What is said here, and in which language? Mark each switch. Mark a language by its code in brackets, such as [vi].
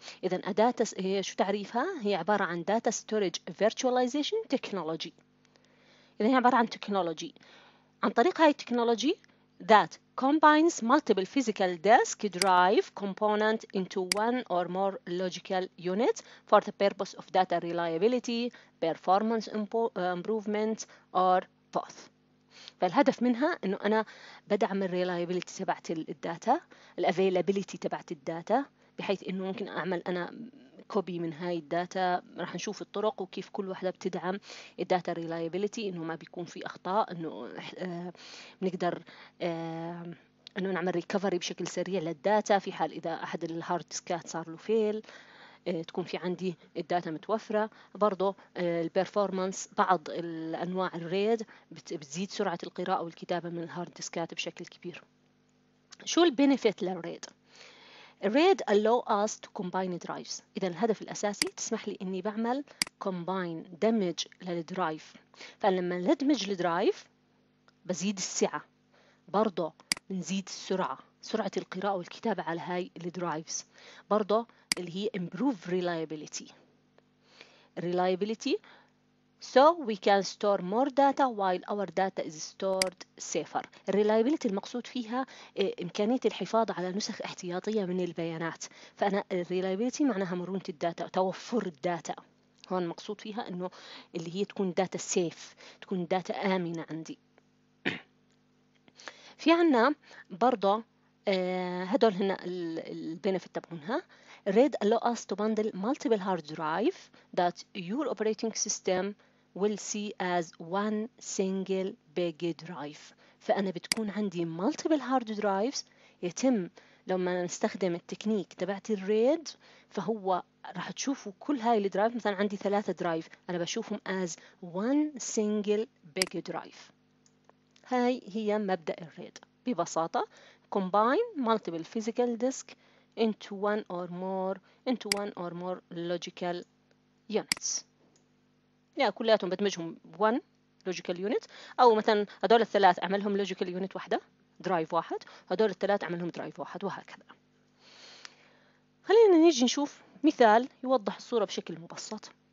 [ar] إذا أداة شو تعريفها؟ هي عبارة عن [en] data storage virtualization technology. [ar] إذا هي عبارة عن [en] technology [ar] عن طريق هاي [en] technology that combines multiple physical disk drive component into one or more logical unit for the purpose of data reliability, performance improvement or both. [ar] فالهدف منها انه انا بدعم الريلايبيليتي تبعت الداتا، الافيلابيليتي تبعت الداتا، بحيث انه ممكن اعمل انا كوبي من هاي الداتا. راح نشوف الطرق وكيف كل واحدة بتدعم الداتا ريلايبيليتي، انه ما بيكون في اخطاء، انه بنقدر انه نعمل ريكفري بشكل سريع للداتا في حال اذا احد الهارد ديسكات صار له فيل، تكون في عندي الداتا متوفرة. برضو البرفورمانس، بعض الأنواع الريد بتزيد سرعة القراءة والكتابة من الهارد ديسكات بشكل كبير. شو البينيفيت للريد؟ الريد [en] allow us to combine drives. [ar] إذا الهدف الأساسي تسمح لي أني بعمل combine، دمج للدرايف. فلما ندمج الدرايف بزيد السعة، برضو بنزيد السرعة، سرعة القراءة والكتابة على هاي الدرايفز. برضو اللي هي [en] improve reliability. Reliability so we can store more data while our data is stored safer. [ar] Reliability المقصود فيها إمكانية الحفاظ على نسخ احتياطية من البيانات. فأنا reliability معناها مرونة الداتا، توفر الداتا. هون المقصود فيها إنه اللي هي تكون [en] data safe، [ar] تكون data آمنة عندي. في عنا برضه هدول هنا البنفيت تبعونها. [en] read allow us to bundle multiple hard drive that your operating system will see as one single big drive. [ar] فأنا بتكون عندي [en] multiple hard drives. [ar] يتم لما نستخدم التكنيك تبعت الريد فهو راح تشوفوا كل هاي الدرايف، مثلا عندي 3 درايف أنا بشوفهم [en] as one single big drive. [ar] هاي هي مبدأ الريد ببساطة، [en] combine multiple physical disk into one or more logical units. [ar] يا يعني كلياتهم بدمجهم [en] one logical unit، [ar] أو مثلا هذول الثلاث أعملهم logical unit واحدة، درايف واحد، هذول الثلاث أعملهم درايف واحد وهكذا. خلينا نيجي نشوف مثال يوضح الصورة بشكل مبسط.